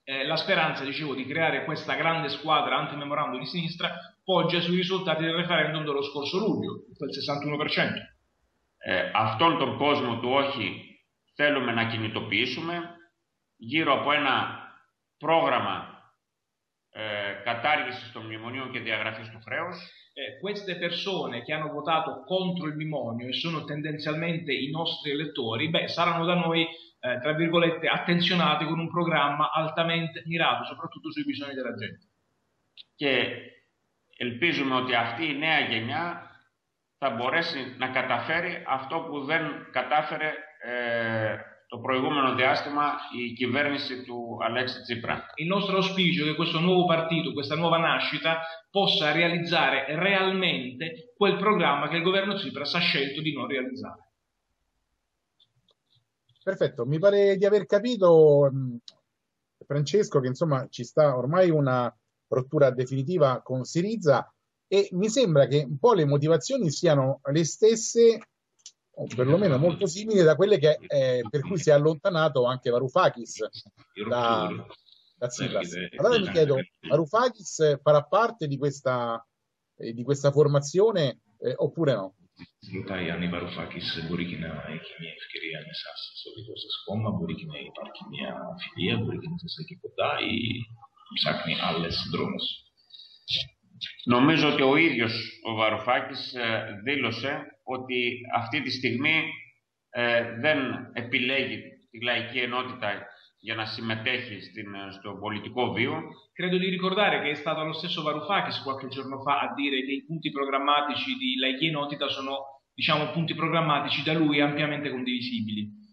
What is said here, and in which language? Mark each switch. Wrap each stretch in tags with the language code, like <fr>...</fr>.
<it>La speranza, dicevo, di creare questa grande squadra anti-memorandum di sinistra poggia sui risultati del referendum dello scorso luglio, quel 61%.</it> <el>Αυτόν τον κόσμο του όχι θέλουμε να κινητοποιήσουμε γύρω από ένα πρόγραμμα κατάργηση των μνημονίων και διαγραφή του χρέου.</el> <it>Queste persone che hanno votato contro il mnemonio e sono tendenzialmente i nostri elettori, saranno da noi, tra virgolette, attenzionati con un programma altamente mirato, soprattutto sui bisogni della gente.</it> <el>Και ελπίζουμε ότι αυτή η νέα γενιά θα μπορέσει να καταφέρει αυτό που δεν κατάφερε το προηγούμενο διάστημα η κυβέρνηση του Αλέξη Τσίπρα.</el> <it>Il nostro auspicio è che questo nuovo partito, questa nuova nascita, possa realizzare realmente quel programma che il governo Tsipras ha scelto di non realizzare. Perfetto, mi pare di aver capito, Francesco, che insomma ci sta ormai una rottura definitiva con Syriza, e mi sembra che un po' le motivazioni siano le stesse, o perlomeno molto simili, da quelle che per cui si è allontanato anche Varoufakis da Tsipras. Allora mi chiedo, Varoufakis farà parte di questa formazione oppure no?</it> <el>Ρωτάει αν η Βαρουφάκης μπορεί και να έχει μια ευκαιρία μέσα σε σωτικό σας κόμμα, μπορεί και να υπάρχει μια φιλία, μπορεί και να σας έχει κοντά ή ψάχνει άλλες δρόμους. Νομίζω ότι ο ίδιος ο Βαρουφάκης δήλωσε ότι αυτή τη στιγμή δεν επιλέγει τη Λαϊκή Ενότητα για να συμμετέχει στο πολιτικό βίο.</el> <it>Credo di ricordare che è stato lo stesso Varoufakis qualche giorno fa a dire che i punti programmatici di Laiki Enotita sono, diciamo, punti programmatici da lui ampiamente condivisibili.</it>